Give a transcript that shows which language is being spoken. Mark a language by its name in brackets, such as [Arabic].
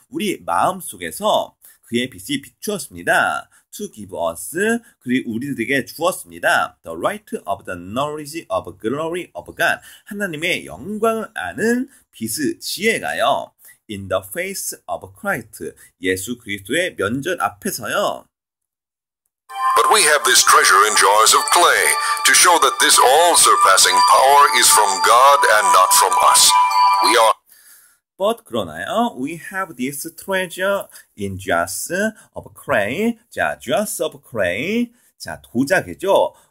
[Korean] 우리 마음 속에서 그의 빛이 비추었습니다. [English] To give us, [Korean] 그리고 우리들에게 주었습니다. [English] The light of the knowledge of glory of God. [Korean] 하나님의 영광을 아는 빛의 지혜가요. [English] In the face of Christ. [Korean] 예수 그리스도의 면전 앞에서요. [English] But we have this treasure in jars of clay to show that this all-surpassing power is from God and not from us. We are But [Korean] 그러나요, [English] we have this treasure in jars of clay. [Korean] 자, [English] jars of clay. [Korean] 자, 도자기죠.